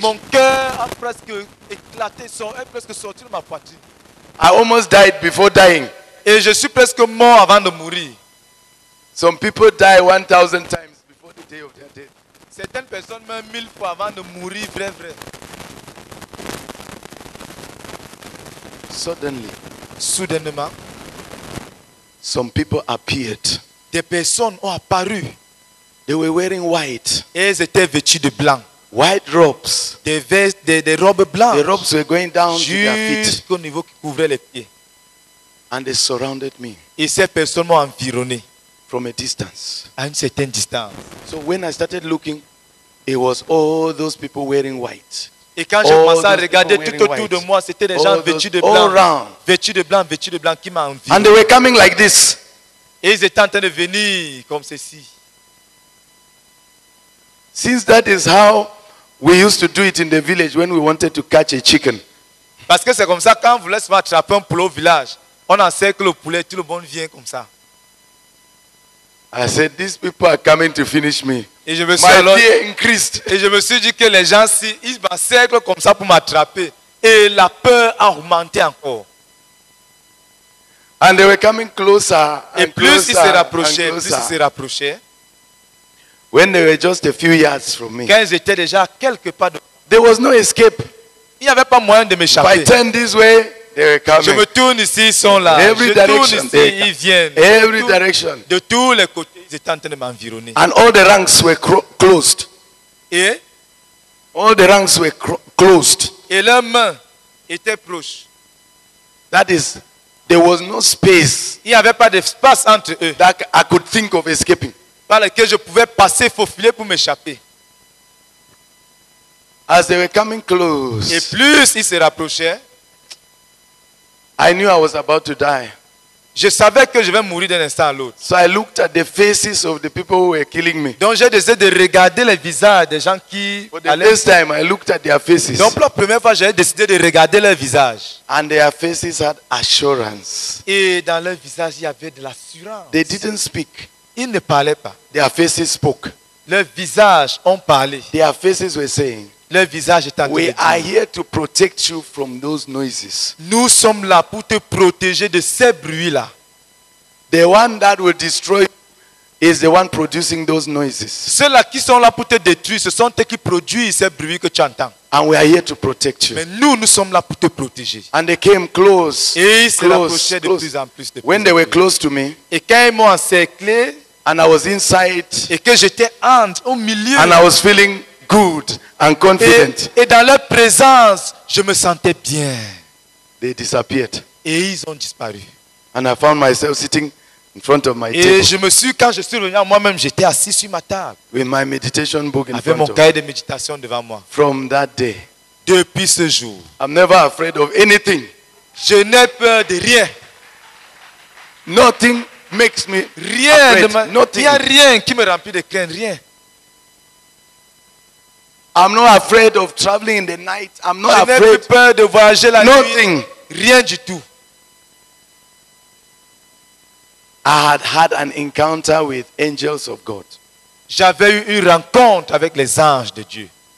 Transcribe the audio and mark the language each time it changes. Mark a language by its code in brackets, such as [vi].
[fr] Mon cœur a presque éclaté, presque sorti de ma poitrine. [en] I almost died before dying. [fr] Et je suis presque mort avant de mourir. [en] Some people die 1,000 times before the day of their death. [fr] Certaines personnes meurent 1,000 fois avant de mourir, vrai. [en] Suddenly, [fr] soudainement, [en] some people appeared. [fr] Des personnes ont apparu. [en] They were wearing white. [fr] Elles étaient vêtues de blanc. [en] White robes. [fr] Des vestes, des robes blanches. [en] The robes were going down to their feet. [fr] Jusqu'au niveau qui couvrait les pieds. [en] And they surrounded me. [fr] Et ces personnes m'ont environné. [en] From a distance. [fr] À une certaine distance. [en] So when I started looking, it was all those people wearing white. [fr] Et quand j'ai commencé à regarder tout autour de moi, c'était des gens vêtus de blanc qui m'ont envie. [en] And they were coming like this. [fr] Et ils étaient en train de venir comme ceci. [en] Since that is how we used to do it in the village when we wanted to catch a chicken. [fr] Parce que c'est comme ça quand on voulait se attraper un poulet au village, on encercle le poulet, tout le monde vient comme ça. [en] I said, these people are coming to finish me. [fr] Et je me suis [en] My [fr] alors, [en] fear increased. [fr] Et je me suis dit que les gens, si, ils m'encerclent comme ça pour m'attraper. Et la peur a augmenté encore. [en] And they were coming closer and [fr] et plus [en] closer, [fr] ils se rapprochaient, plus ils se rapprochaient. [en] When they were just a few yards from me. [fr] Quand ils étaient déjà à quelques pas de moi. [en] There was no escape. [fr] Il n'y avait pas moyen de m'échapper. [en] If I turn this way, they were coming. [fr] Je me tourne ici, ils sont là. [en] Every [fr] je [en] direction, [fr] tourne ici, they ils viennent. [en] Every direction. [fr] De tous les côtés. Ils étaient en train de m'environner. [en] And all the ranks were closed. [fr] Et [en] all the ranks were closed. [fr] Et leurs mains étaient proches. [en] That is, there was no space. [fr] Il n'y avait pas d'espace entre eux. [en] That I could think of escaping. [fr] Par lequel je pouvais passer, faufiler pour m'échapper. [en] As they were coming close. [fr] Et plus ils se rapprochaient. [en] I knew I was about to die. [fr] Je savais que je vais mourir d'un instant à l'autre. [en] So I looked at the faces of the people who were killing me. [fr] Donc j'ai décidé de regarder les visages des gens qui allaient. [en] This time I looked at their faces. [fr] Donc la première fois j'ai décidé de regarder leurs visages. [en] And their faces had assurance. [fr] Et dans leurs visages il y avait de l'assurance. [en] They didn't speak. [fr] Ils ne parlaient pas. [en] Their faces spoke. [fr] Leurs visages ont parlé. [en] Their faces were saying. [fr] Leurs visages étaient. [en] We are here to protect you from those noises. [fr] Nous sommes là pour te protéger de ces bruits-là. [en] The one that will destroy you is the one producing those noises. [fr] Ceux-là qui sont là pour te détruire, ce sont eux qui produisent ces bruits que tu entends. [en] And we are here to protect you. [fr] Mais nous sommes là pour te protéger. [en] And they came close. [fr] Et ils se rapprochaient de plus en plus. [en] When they were close to me. [fr] Et quand ils m'ont encerclé. [en] And I was inside. [fr] Et que j'étais entre au milieu. [en] And I was feeling good and confident. [fr] Et dans leur présence, je me sentais bien. [en] They disappeared. [fr] Et ils ont disparu. [en] And I found myself sitting in front of my [fr] et [en] table. [fr] Et je me suis, quand je suis revenu à moi-même, j'étais assis sur ma table. [en] With my meditation book in [fr] avec [en] front of me. [fr] Avec mon cahier de méditation devant moi. [en] From that day. [fr] Depuis ce jour. [en] I'm never afraid of anything. [fr] Je n'ai peur de rien. [en] Nothing makes me [fr] rien [en] afraid. Nothing. [fr] Il n'y a rien qui me remplit de crainte. Rien. [en] I'm not afraid of traveling in the night. I'm not [fr] je [en] afraid. [fr] Peur de voyager la [en] nothing. [fr] Nuit. Rien du tout. [en] I had had an encounter with angels of God. [fr] J'avais eu une rencontre avec les anges de Dieu.